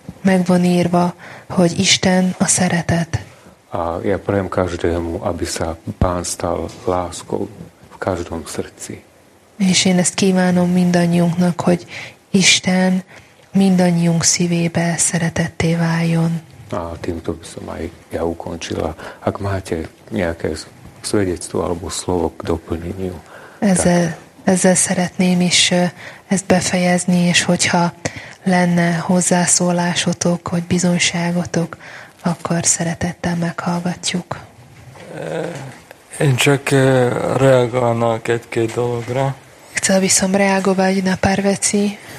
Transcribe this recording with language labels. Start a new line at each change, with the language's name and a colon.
Hungarian: Meg van írva, hogy Isten a szeretet.
Slovak: A ja prajem každému, aby sa Pán stal láskou v každom srdci.
Hungarian: És én ezt kívánom mindannyiunknak, hogy Isten mindannyiunk szívébe szeretetté váljon.
Slovak: A týmto by som aj ja ukončila. Ak máte nejaké svedectvo alebo slovo k doplneniu.
Hungarian: Ezzel szeretném is ezt befejezni, és hogyha lenne hozzászólásotok, vagy bizonyságotok, akkor szeretettel meghallgatjuk. Én csak reagálnak egy-két dologra.
Slovak: Chcel by som reagovať na pár vecí.